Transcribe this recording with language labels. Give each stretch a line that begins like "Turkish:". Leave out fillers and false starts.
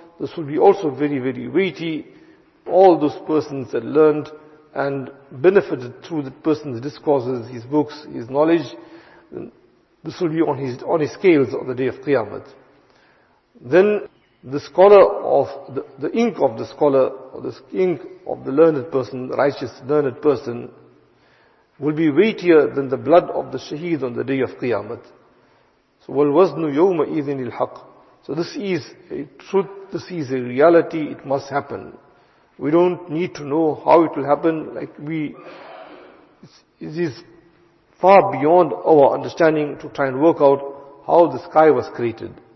English: This will be also very, very weighty. All those persons that learned and benefited through the person's discourses, his books, his knowledge, this will be on his scales on the day of Qiyamah. Then the scholar of the ink of the scholar, or the ink of the learned person, righteous learned person, will be weightier than the blood of the shaheed on the day of Qiyamah.
Arabic: So, وَالْوَزْنُ يَوْمَ إِذِنِ الْحَقِّ.
English: So this is a truth, this is a reality, it must happen. We don't need to know how it will happen, it is far beyond our understanding to try and work out how the sky was created.